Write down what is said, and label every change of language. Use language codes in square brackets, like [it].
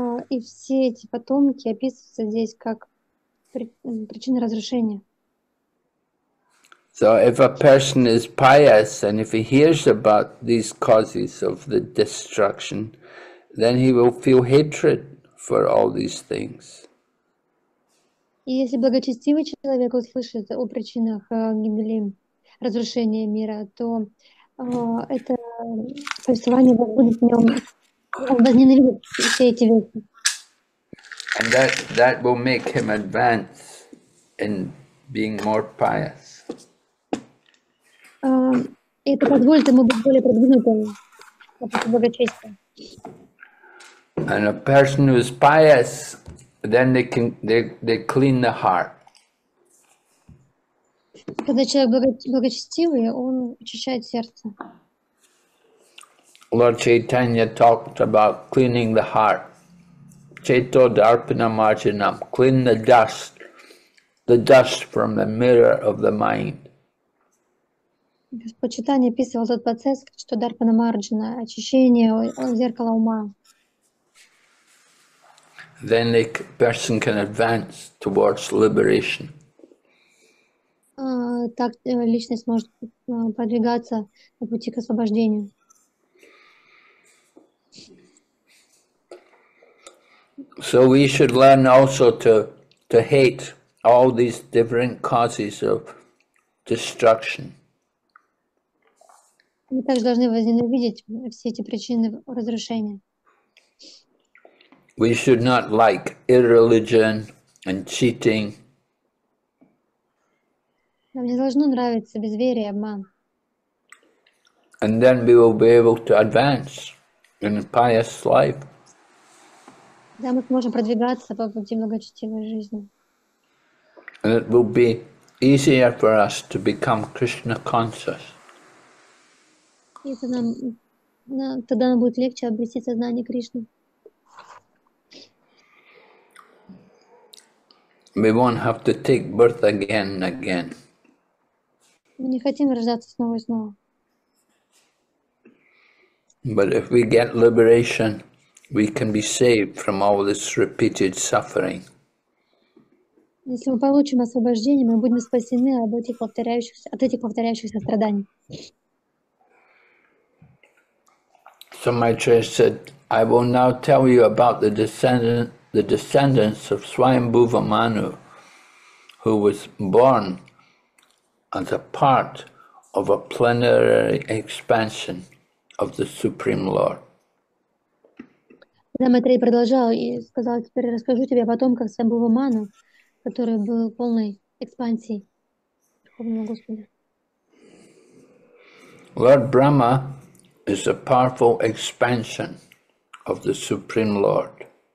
[ru] И все эти потомки описываются здесь как причины разрушения. [en] So if a person is pious and if he hears about these causes of the destruction, then he will feel hatred for all these things. [ru] И если благочестивый человек услышит о причинах гибели, разрушения мира, то это повествование будет в нем, он возненавидит все эти вещи. [en] That will make him advance in being more pious. [ru] И это позволит ему быть более продвинутым по пути благочестия. [en] And a person who is pious, then they can they clean the heart. [ru] Когда человек благочестивый, он очищает сердце. [en] Lord Chaitanya talked about cleaning the heart. [sa] Cheto darpana marjanam, [en] clean the dust from the mirror of the mind. [ru] Господь Читания описывал тот процесс, что [sa] дарпана марджина, [ru] очищение зеркала ума. [en] Then the person can advance towards liberation. [ru] Так личность может продвигаться на пути к освобождению. [en] So we should learn also to hate all these different causes of destruction. [ru] Мы также должны возненавидеть все эти причины разрушения. [en] We should not like irreligion and cheating. [ru] Нам не должно нравиться безверие и обман. [en] And then we will be able to advance in a pious life. [ru] Да, мы сможем продвигаться по пути благочестивой жизни. [en] And it will be easier for us to become Krishna conscious. [ru] И тогда нам будет легче обрести сознание Кришны. [en] We won't have to take birth again and again. [ru] Мы не хотим рождаться снова и снова. [en] But if we get liberation, we can be saved from all this repeated suffering. [ru] Если мы получим освобождение, мы будем спасены от этих повторяющихся страданий. [en] So Maitreya said, I will now tell you about the descendants of Swayambhuva Manu, who was born as a part of a plenary expansion of the Supreme Lord. [ru] Да, Матрей продолжал и сказал, теперь расскажу тебе о потомках Свайамбхува Ману, который был полной экспансией Верховного Господа. [en] Lord Brahma is a powerful expansion of the Supreme Lord.